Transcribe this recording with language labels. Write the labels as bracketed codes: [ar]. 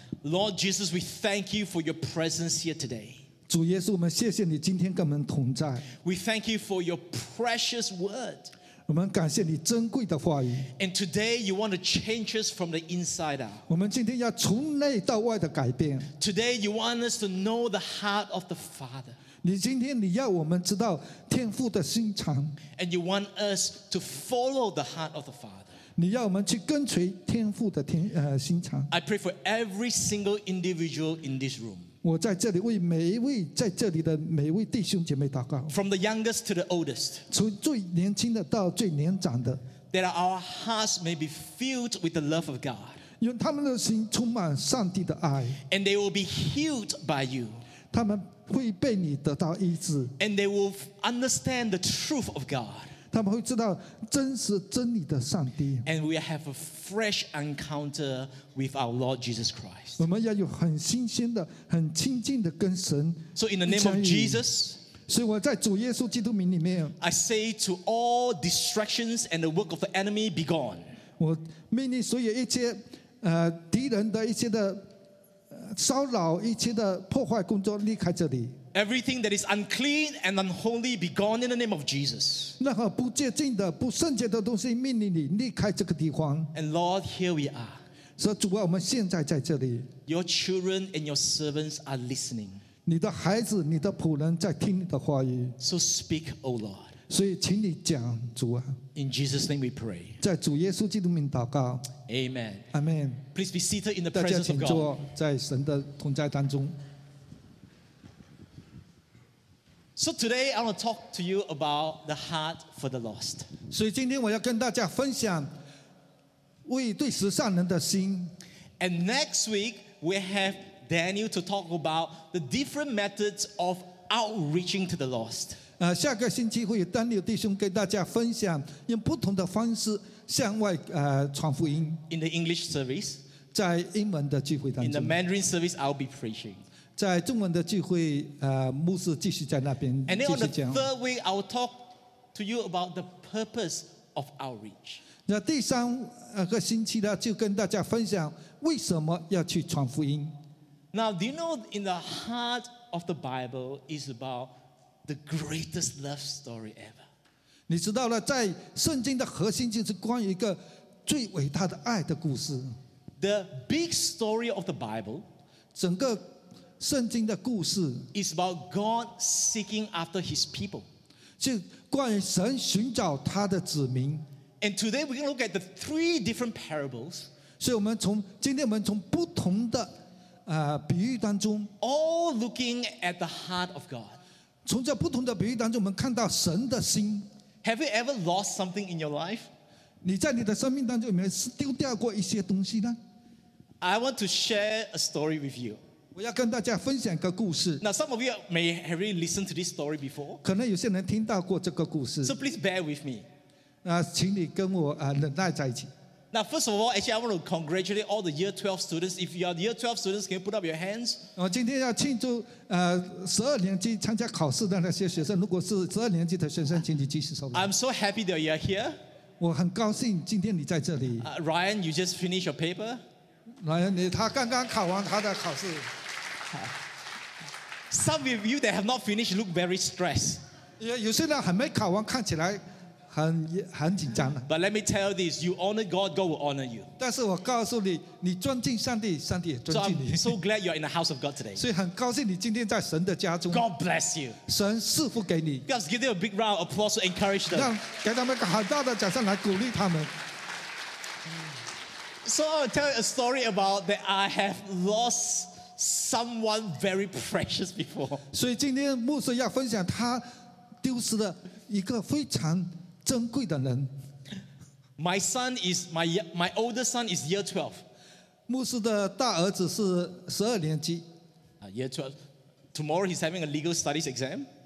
[en] Lord Jesus, we thank you for your presence here today. [zh] 主耶稣，我们谢谢你今天跟我们同在。 [en] We thank you for your precious word. [zh] 我们感谢你珍贵的话语。 [en] And today you want to change us from the inside out. [zh] 我们今天要从内到外的改变。 [en] Today you want us to know the heart of the Father. [zh] 你今天你要我们知道天父的心肠。 [en] And you want us to follow the heart of the Father. [zh] 你要我们去跟随天父的天心肠。 [en] I pray for every single individual in this room. [zh] 我在这里为每一位在这里的每一位弟兄姐妹祷告。 [en] From the youngest to the oldest. [zh] 从最年轻的到最年长的。 [en] That our hearts may be filled with the love of God. [zh] 用他们的心充满上帝的爱。 [en] And they will be healed by you. [zh] 他们会被你得到医治。 [en] And they will understand the truth of God. [zh] 他们会知道真实真理的上帝。 [en] And we have a fresh encounter with our Lord Jesus Christ. [zh] 我们要有很新鲜的、很亲近的跟神。 [en] So in the name of Jesus, [zh] 所以我在主耶稣基督名里面 [en] ，I say to all distractions and the work of the enemy, be gone. [zh] 我命令所有一切敌人的一些的骚扰、一切的破坏工作离开这里。 [en] Everything that is unclean and unholy be gone in the name of Jesus. [zh] 那个不洁净的、不圣洁的东西，命令你离开这个地方。 [en] And Lord, here we are. [zh] 说主啊，我们现在在这里。 [en] Your children and your servants are listening. [zh] 你的孩子、你的仆人在听你的话语。 [en] So speak, O Lord. [zh] 所以请你讲，主啊。 [en] In Jesus' name we pray. [zh] 在主耶稣基督名祷告。 [en] Amen. [zh] Amen. [en] Please be seated in the presence of God. [zh] 大家请坐，在神的同在当中。 [en] So today I want to talk to you about the heart for the lost. [zh] 所以今天我要跟大家分享为对失丧人的心。 [en] And next week we have Daniel to talk about the different methods of outreaching to the lost. [zh] 下个星期会有丹尼尔弟兄跟大家分享用不同的方式向外传福音。 [en] In the English service, [zh] 在英文的聚会当中。 [en] In the Mandarin service, I'll be preaching. [zh] 在中文的聚会，牧师继续在那边继续讲。 [en] And then on the third week, I will talk to you about the purpose of outreach. [zh] 那第三个星期呢，就跟大家分享为什么要去传福音。 [en] Now, do you know in the heart of the Bible is about the greatest love story ever? [zh] 你知道了，在圣经的核心就是关于一个最伟大的爱的故事。 [en] The big story of the Bible, [zh] 整个圣经的故事 [en] is about God seeking after His people. [zh] 就关于神寻找他的子民。 [en] And today we're going to look at the three different parables. [zh] 所以我们从今天我们从不同的比喻当中 [en] all looking at the heart of God. [zh] 从这不同的比喻当中，我们看到神的心。 [en] Have you ever lost something in your life? [zh] 你在你的生命当中有没有丢掉过一些东西呢？ [en] I want to share a story with you. [zh] 我要跟大家分享一个故事。 [en] Now, some of you may have really listened to this story before. [zh] 可能有些人听到过这个故事。 [en] So please bear with me. [zh] 请你跟我忍耐在一起。 [en] Now, first of all, actually, I want to congratulate all the year 12 students. If you are year 12 students, can you put up your hands? [zh] 我今天要庆祝12年级参加考试的那些学生。如果是12年级的学生，请你举起手。 [en] I'm so happy that you are here. [zh] 我很高兴今天你在这里。 [en] Ryan, you just finished your paper. [zh] 他刚刚考完他的考试。 [en] Some of you that have not finished look very stressed. [zh] 有些人还没考完，看起来很紧张的。 [en] But let me tell you this: you honor God, God will honor you. [zh] 但是我告诉你，你尊敬上帝，上帝也尊敬你。 [en] So I'm so glad you're in the house of God today. [zh] 所以很高兴你今天在神的家中。 [en] God bless you. [zh] 神赐福给你。 [en] Let's give them a big round of applause to encourage them. [zh] 让给他们很大的掌声来鼓励他们。 [en] So I'll tell you a story about that I have lost someone very precious before. [zh] 所以今天牧师要分享他丢失的一个非常珍贵的人。 [en] My son is my oldest son is year 12. [zh] 牧师的大儿子是十二年级。 [en] Year 12. Tomorrow he's having a legal studies exam.